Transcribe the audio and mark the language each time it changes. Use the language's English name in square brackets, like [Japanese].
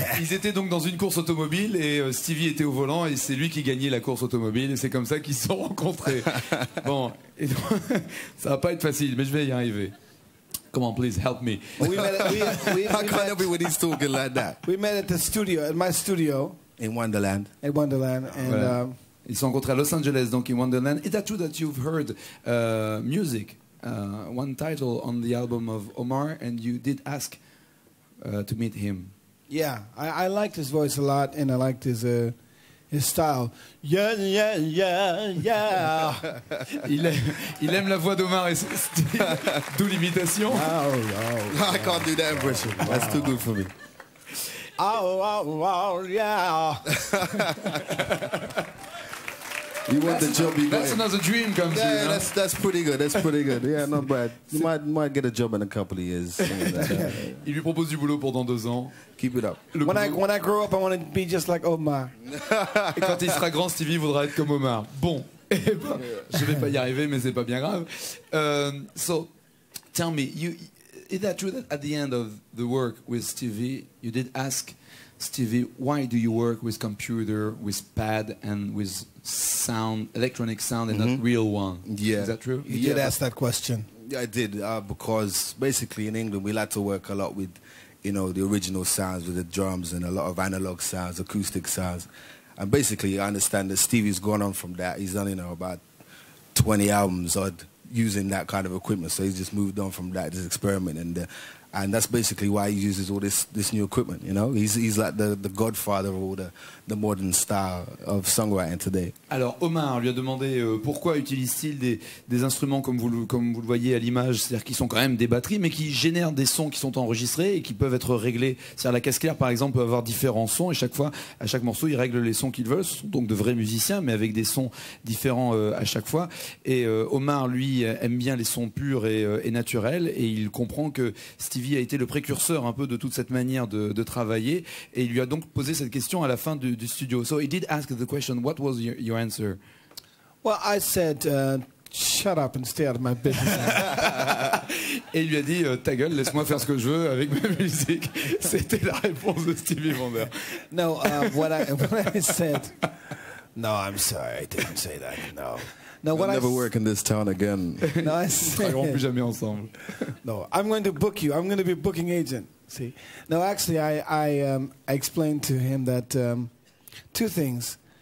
[French] Ils étaient donc dans une course automobile, et Stevie était au volant, et c'est lui qui gagnait la course automobile, et c'est comme ça qu'ils se sont rencontrés. Bon, ça va pas être facile, mais je vais y arriver. [English] Come on, please, help me. How can I help you when he's talking like that? We met at the studio, at my studio. In Wonderland. And... Voilà. [French] Ils sont rencontrés à Los Angeles, donc in Wonderland. [English] Is that true that you've heard music, one title on the album of Omar, and you did ask to meet him? Yeah, I liked his voice a lot, and I liked his style. Yeah, yeah, yeah, yeah. [French] il aime la voix d'Omar, d'où l'imitation. [English] Oh, I can't do that impression. Wow. That's too good for me. Oh, yeah. You want that's the job you got. That's another dream comes yeah, in. Yeah, that's pretty good. That's pretty good. Yeah, not bad. You might get a job in a couple of years. [French] Il lui propose du boulot pendant deux ans. [English] Keep it up. When I grow up, I want to be just like Omar. [French] Et quand il sera grand, Stevie voudra être comme Omar. Bon, je vais pas y arriver, mais c'est pas bien grave. [English] So, tell me, is that true that at the end of the work with Stevie, you did ask Stevie, why do you work with computer, with pad, and with sound, electronic sound, and mm-hmm. not real one? Yeah. Is that true? You did ask that question. Yeah, I did, because basically in England, we like to work a lot with, you know, the original sounds, with the drums, and a lot of analog sounds, acoustic sounds. And basically, I understand that Stevie's gone on from that. He's done, you know, about 20 albums odd using that kind of equipment. So he's just moved on from that, this experiment, and that's basically why he uses all this new equipment, you know? He's like the godfather of all the modern style of songwriting today. [French] Alors, Omar lui a demandé pourquoi utilise-t-il des instruments comme vous le voyez à l'image, c'est-à-dire qui sont quand même des batteries, mais qui génèrent des sons qui sont enregistrés et qui peuvent être réglés. C'est-à-dire la caisse claire, par exemple, peut avoir différents sons, et chaque fois, à chaque morceau, ils règlent les sons qu'ils veulent. Ce sont donc de vrais musiciens, mais avec des sons différents à chaque fois. Et Omar, lui, aime bien les sons purs et naturels, et il comprend que Stevie a été le précurseur un peu de toute cette manière de travailler, et il lui a donc posé cette question à la fin du studio. [English] So he did ask the question, what was your answer? Well, I said, shut up and stay out of my business. [French] Et il lui a dit, ta gueule, laisse-moi faire ce que je veux avec ma musique. C'était la réponse de Stevie Wonder. [English] No, what I said... No, I'm sorry, I didn't say that, no. No, we'll never work in this town again. No, I said, [French] plus jamais ensemble. [English] No, I'm going to book you. I'm going to be a booking agent. See? No, actually, I explained to him that two things.